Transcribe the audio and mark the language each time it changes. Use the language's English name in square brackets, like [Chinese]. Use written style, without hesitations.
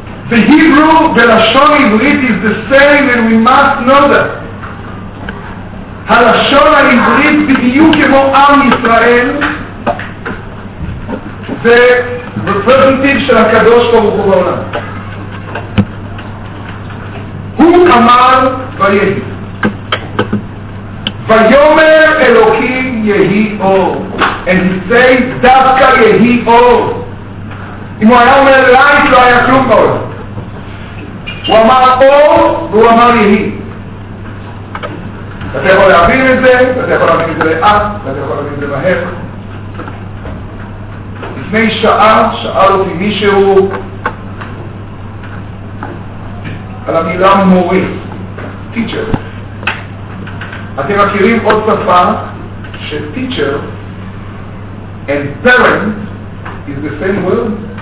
[English] The Hebrew, the Lashon Ivrit is the same and we must know that. [Hebrew] הלשון העברית בדיוק כמו עם ישראל זה representative של הקדוש ברוך הוא בעולם. הוא אמר ויהי. ויאמר אלוקים יהי אור. [English] And he say [Hebrew] דווקא יהי אור. אם הוא היה אומר לייט לא היה כלום בעולם. הוא אמר אור והוא אמר יהי. אתה יכול להבין את זה, אתה יכול להבין את זה לאט, אתה יכול להבין את זה מהר. לפני שעה שאל אותי מישהו על המילה מורי, teacher. אתם מכירים עוד שפה ש [English] teacher and parent is the same word?